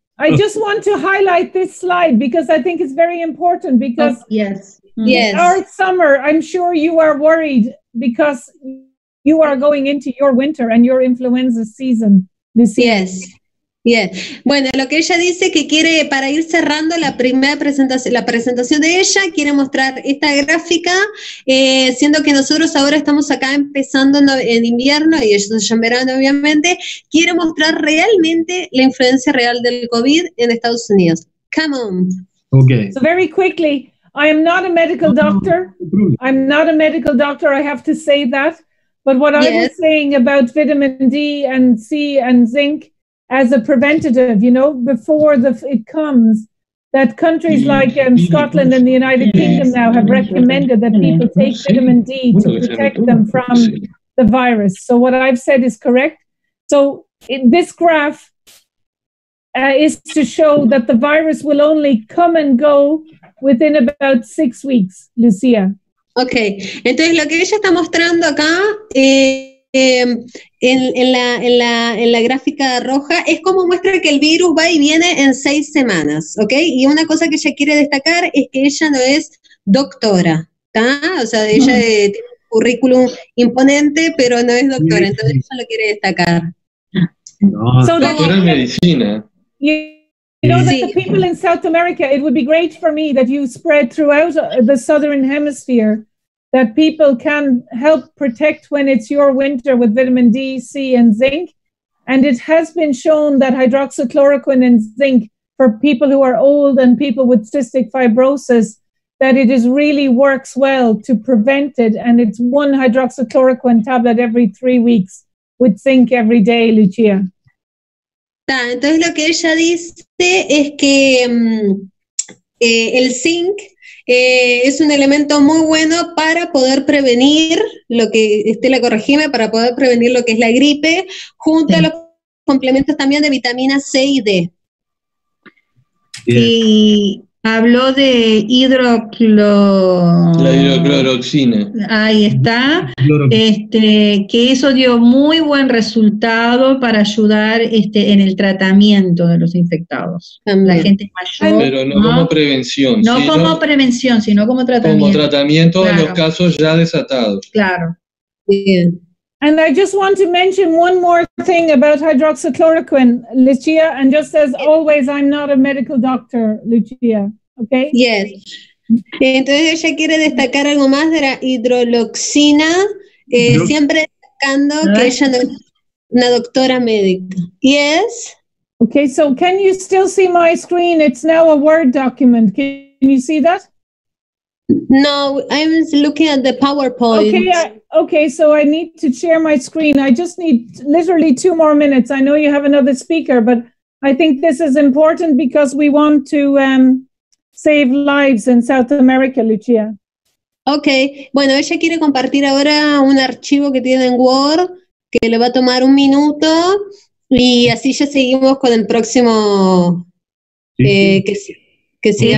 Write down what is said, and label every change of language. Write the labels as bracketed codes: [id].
[en] I just want to highlight this slide because I think it's very important because yes. Our summer, I'm sure you are worried because you are going into your winter and your influenza season. Yes. [es] Bueno, lo que ella dice que quiere, para ir cerrando la primera presentación, la presentación de ella, quiere mostrar esta gráfica, siendo que nosotros ahora estamos acá empezando en invierno y ellos ya en verano, obviamente, quiere mostrar realmente la influencia real del COVID en Estados Unidos. [en] Come on. Okay. So very quickly, I am not a medical doctor. I'm not a medical doctor, I have to say that. But what I was saying about vitamin D and C and zinc as a preventative, you know, before it comes, that countries like Scotland and the United Kingdom now have recommended that people take vitamin D to protect them from the virus. So what I've said is correct. So in this graph is to show that the virus will only come and go within about 6 weeks, Lucía. [es] Okay, entonces lo que ella está mostrando acá, en la gráfica roja, es como muestra que el virus va y viene en 6 semanas, ¿ok? Y una cosa que ella quiere destacar es que ella no es doctora, ¿está? O sea, ella tiene un currículum imponente, pero no es doctora, entonces ella lo quiere destacar. No, doctora de medicina. You know, that the people in South America, it would be great for me that you spread throughout the southern hemisphere, that people can help protect when it's your winter with vitamin D, C, and zinc. And it has been shown that hydroxychloroquine and zinc for people who are old and people with cystic fibrosis, that it is really works well to prevent it. And it's one hydroxychloroquine tablet every 3 weeks with zinc every day, Lucia. Entonces lo que ella dice es que el zinc es un elemento muy bueno para poder prevenir lo que Estela corregime, para poder prevenir lo que es la gripe, junto a los complementos también de vitamina C y D. Y habló de hidrocloroxina. Ahí está. Que eso dio muy buen resultado para ayudar en el tratamiento de los infectados. También. La gente mayor. Pero no como prevención. No sino como prevención, sino como tratamiento. Como tratamiento en los casos ya desatados. Claro. Bien. [en] And I just want to mention one more thing about hydroxychloroquine, Lucia, and just as always, I'm not a medical doctor, Lucia. Okay. Yes. [es] Entonces ella quiere destacar algo más de la hidroxina, siempre destacando que ella no es una doctora médica. [en] Yes. Okay, so can you still see my screen? It's now a Word document. Can you see that? No, I'm looking at the PowerPoint. Okay, so I need to share my screen. I just need literally two more minutes. I know you have another speaker, but I think this is important because we want to save lives in South America, Lucia. [es] Okay, bueno, ella quiere compartir ahora un archivo que tiene en Word, que le va a tomar un minuto, y así ya seguimos con el próximo que sigue